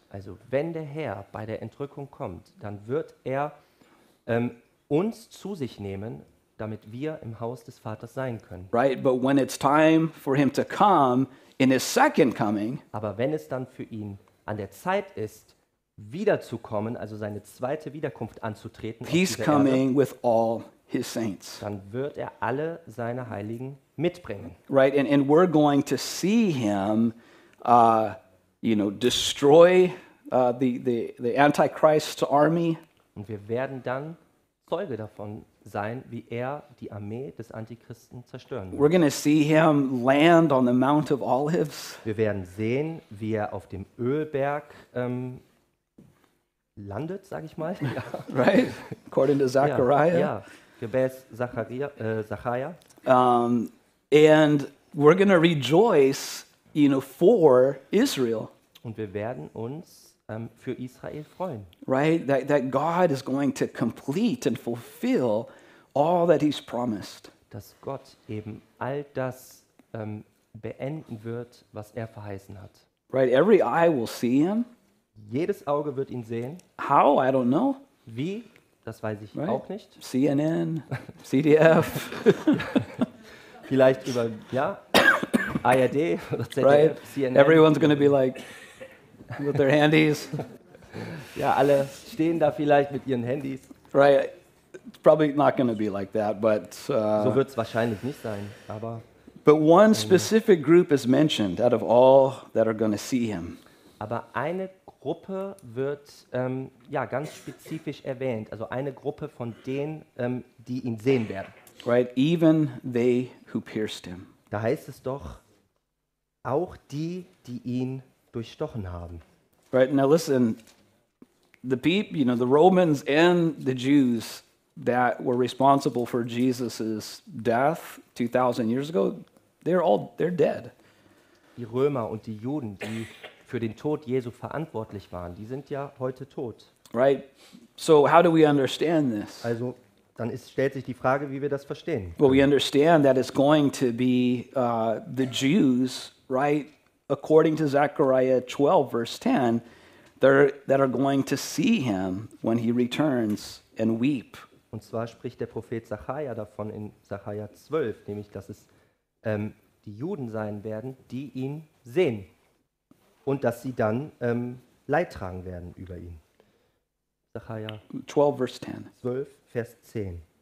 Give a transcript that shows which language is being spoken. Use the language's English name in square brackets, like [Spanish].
[German] Also wenn der Herr bei der Entrückung kommt, dann wird er uns zu sich nehmen, damit wir im Haus des Vaters sein können. [English] Right, but when it's time for him to come in his second coming, [German] aber wenn es dann für ihn an der Zeit ist, wiederzukommen, also seine zweite Wiederkunft anzutreten, [English] he's coming with all his saints. [German] Dann wird er alle seine Heiligen mitbringen. [English] Right, and we're going to see him you know, destroy the Antichrist's army. [German] Und wir werden dann Zeuge davon sein, wie er die Armee des Antichristen zerstören wird. [English] We're going to see him land on the Mount of Olives. [German] Wir werden sehen, wie er auf dem Ölberg landet, sage ich mal. Ja. Right? [English] According to Zechariah. [German] Ja, gemäß Zechariah. [English] And we're going to rejoice, you know, for Israel. [German] Und wir werden uns für Israel freuen. [English] Right, that God is going to complete and fulfill all that he's promised. [German] Dass Gott eben all das beenden wird, was er verheißen hat. [English] Right, every eye will see him. [German] Jedes Auge wird ihn sehen. [English] How? I don't know. [German] Wie? Das weiß ich right? Auch nicht. [English] CNN, CDF. [German] Vielleicht über, ja, ARD oder ZDF, right? [English] CNN. Everyone's going to be like, with their handies. [German] Ja, alle stehen da vielleicht mit ihren Handys. [English] Right. It's probably not going to be like that, but [German] so wird es wahrscheinlich nicht sein, aber [English] but one specific group is mentioned out of all that are going to see him. [German] Aber eine Gruppe wird ja ganz spezifisch erwähnt, also eine Gruppe von denen, die ihn sehen werden. [English] Right, even they who pierced him. [German] Da heißt es doch, auch die, die ihn durchstochen haben. [English] Right, now listen, the people, you know, the Romans and the Jews that were responsible for Jesus's death 2000 years ago, they're dead. [German] Die Römer und die Juden, die für den Tod Jesu verantwortlich waren, die sind ja heute tot. [English] Right. So how do we understand this? [German] Also, dann ist, stellt sich die Frage, wie wir das verstehen. [English] Well, we understand that it's going to be the Jews, right? According to Zechariah 12 verse 10, that are going to see him when he returns and weep. [German] Und zwar spricht der Prophet Zachariah davon in Zachariah 12, nämlich dass es die Juden sein werden, die ihn sehen und dass sie dann Leid tragen werden über ihn. [English] Zachariah 12 verse 10. [German] 12 Vers 10.